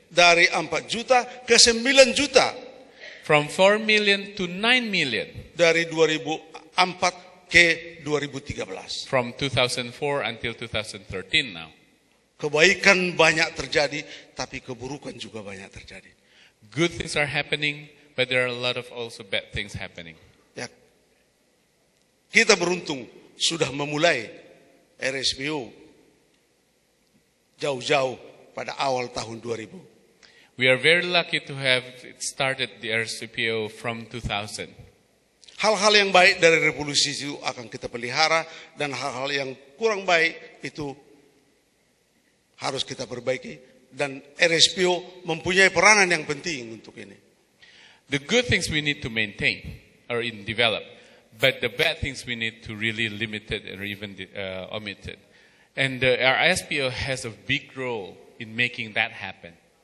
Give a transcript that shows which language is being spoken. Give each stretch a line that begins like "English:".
Indonesian: Dari 4 juta ke 9 juta.
English: From 4 million to 9 million.
Indonesian: Dari 2004 ke 2013.
English: From 2004 until 2013 now.
Indonesian: Kebaikan banyak terjadi, tapi keburukan juga banyak terjadi.
English: Good things are happening, but there are a lot of also bad things happening.
Indonesian: Ya. Kita beruntung sudah memulai RSBO jauh-jauh pada awal tahun 2000.
English: We are very lucky to have started the RSBO from 2000.
Indonesian: Hal-hal yang baik dari revolusi itu akan kita pelihara, dan hal-hal yang kurang baik itu harus kita perbaiki, dan RSBO mempunyai peranan yang penting untuk ini.
English: The good things we need to maintain or in develop, but the bad things we need to really limit it or even omit it. And the RSPO has a big role in making that happen.